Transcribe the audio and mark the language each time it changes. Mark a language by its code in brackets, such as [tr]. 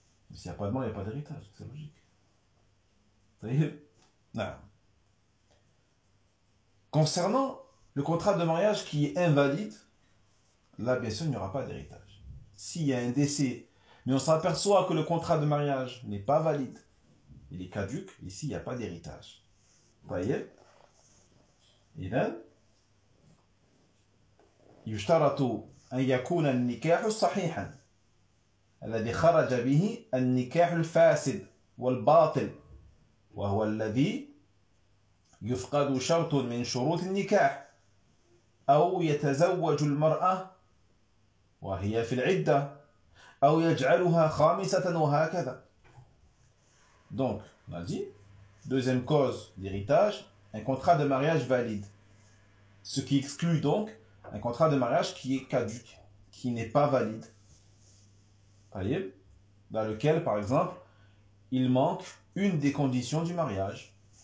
[fr] Mais s'il n'y a pas de mort, il n'y a pas d'héritage. C'est logique. Vous voyez? Non. Concernant le contrat de mariage qui est invalide, là, bien sûr, il n'y aura pas d'héritage. S'il y a un décès, mais on s'aperçoit que le contrat de mariage n'est pas valide, il est caduque, ici, il n'y a pas d'héritage. [ar] طيب إذا يشترط أن يكون النكاح صحيحا الذي خرج به النكاح الفاسد والباطل وهو الذي يفقد شرط من شروط النكاح أو يتزوج المرأة وهي في العدة أو يجعلها خامسة وهكذا. [fr] Donc, on a dit. Deuxième cause d'héritage, un contrat de mariage valide. Ce qui exclut donc un contrat de mariage qui est caduc, qui n'est pas valide. Voyez? Dans lequel, par exemple, il manque une des conditions du mariage.